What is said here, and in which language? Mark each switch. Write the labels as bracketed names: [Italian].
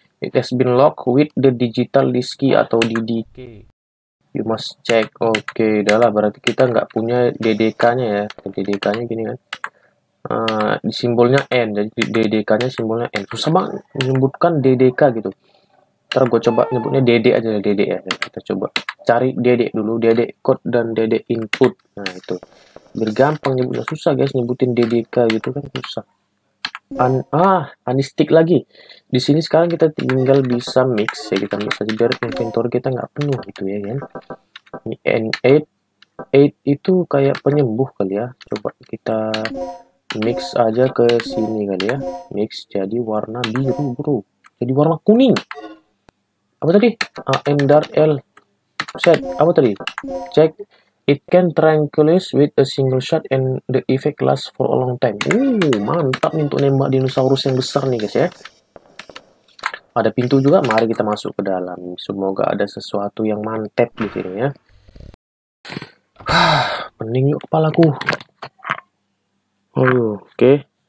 [English] It has been locked with the digital disk key atau DDK. You must check. Oke, okay, udahlah. [Indonesian] Berarti kita nggak punya DDK-nya ya. DDK-nya gini kan. Simbolnya N. Jadi DDK-nya simbolnya N. Susah banget menyebutkan DDK gitu. Ntar gue coba nyebutnya DD aja ya. DD ya. Kita coba cari DD dulu. DD code dan DD input. Nah, itu. Biar gampang nyebutnya. Susah guys nyebutin DDK gitu kan. Susah. Anistik lagi. Di sini sekarang kita tinggal bisa mix ya, kita mix aja biar inventory kita nggak penuh gitu ya kan. Ini N8 itu kayak penyembuh kali ya. Coba kita mix aja ke sini kali ya. Mix jadi warna biru, bro. Jadi warna kuning. Apa tadi? AM dark L. Set. Apa tadi? Check. [English] It can tranquilize with a single shot and the effect lasts for a long time. [Indonesian] Mantap nih untuk nembak dinosaurus yang besar nih guys ya. Ada pintu juga, mari kita masuk ke dalam. Semoga ada sesuatu yang mantep di sini ya. Pening yuk kepalaku. Oke.